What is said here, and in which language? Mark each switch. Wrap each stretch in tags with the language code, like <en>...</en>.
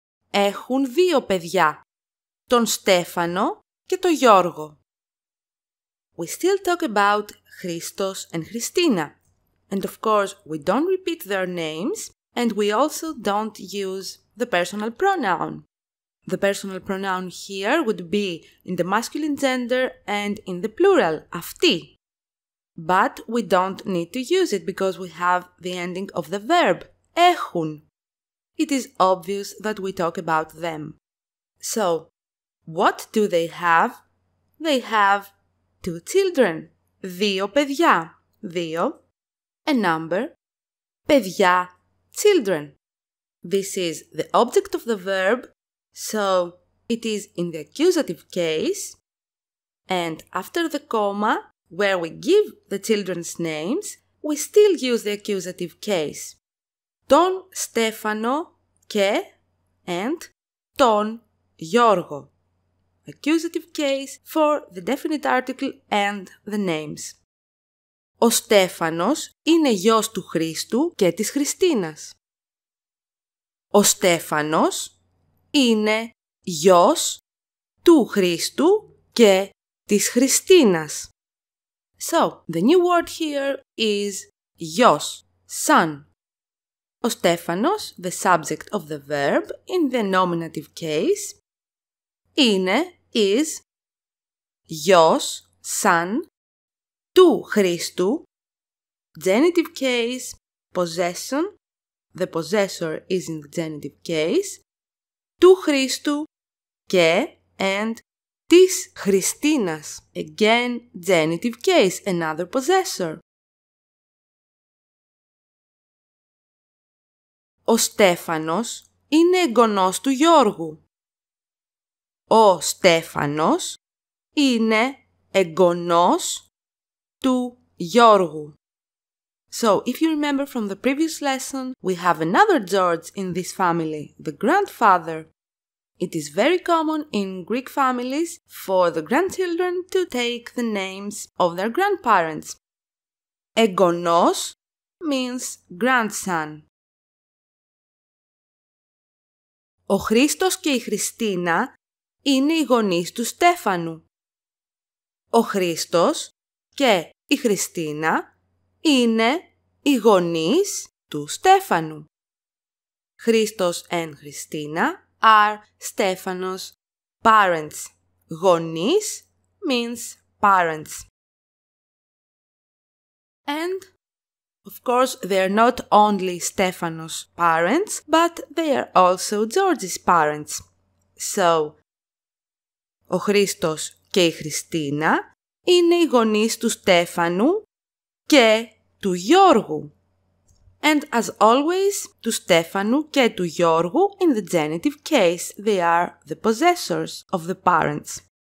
<el>Έχουν δύο παιδιά, τον Στέφανο και τον Γιώργο.</el> <en>We still talk about Χρήστος and Χριστίνα. And of course, we don't repeat their names and we also don't use the personal pronoun. The personal pronoun here would be in the masculine gender and in the plural, αυτή. But we don't need to use it because we have the ending of the verb. Έχουν. It is obvious that we talk about them. So, what do they have? They have two children.</en> <el>Δύο παιδιά. Δύο.</el> <en>A number.</en> <el>Παιδιά.</el> <en>Children. This is the object of the verb, so it is in the accusative case. And after the comma, where we give the children's names, we still use the accusative case.</en> <el>Τον Στέφανο και and τον Γιώργο.</el> <en>Accusative case for the definite article and the names.</en> <el>Ο Στέφανος είναι γιος του Χρήστου και της Χριστίνας. Ο Στέφανος είναι γιος του Χρήστου και της Χριστίνας.</el> <en>So, the new word here is γιος, son. Ο Στέφανος, the subject of the verb in the nominative case, είναι, is, γιος, son, του Χρήστου, genitive case, possession, the possessor is in the genitive case,</en> <el>του Χρήστου και,</el> <en>and,</en> <el>της Χριστίνας,</el> <en>again, genitive case, another possessor.</en> <el>Ο Στέφανος είναι εγγονός του Γιώργου. Ο Στέφανος είναι εγγονός του Γιώργου.</el> <en>So, if you remember from the previous lesson, we have another George in this family, the grandfather. It is very common in Greek families for the grandchildren to take the names of their grandparents. Εγγονός means grandson.</en> <el>Ο Χρήστος και η Χριστίνα είναι οι γονείς του Στέφανου. Ο Χρήστος και η Χριστίνα είναι οι γονείς του Στέφανου.</el> <en>Χρήστος and Χριστίνα are Στέφανος parents. Γονείς means parents. And of course, they are not only Stefano's parents, but they are also George's parents.</en> <el>So, ο Χρήστος και η Χριστίνα είναι οι γονείς του Στέφανου και του Γιώργου.</el> <en>And as always,</en> <el>του Στέφανου και του Γιώργου,</el> <en>in the genitive case, they are the possessors of the parents.</en>